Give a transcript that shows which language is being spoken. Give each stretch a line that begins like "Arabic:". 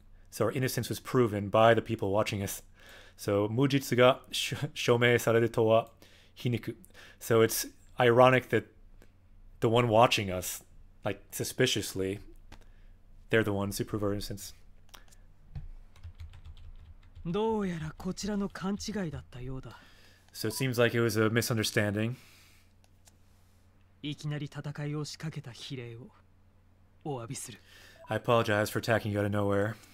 English: So our innocence was proven by the people watching us. So
Japanese: mujitsu ga shomei sareru to wa hiniku.
English: So it's ironic that the one watching us, like suspiciously, they're the ones who prove our innocence.
Japanese: どうやらこちらの勘違いだったようだ.
English: So it seems like it was a misunderstanding.
Japanese: いきなり戦いを仕掛けた非礼をお詫びする.
English: I apologize for attacking you out of nowhere.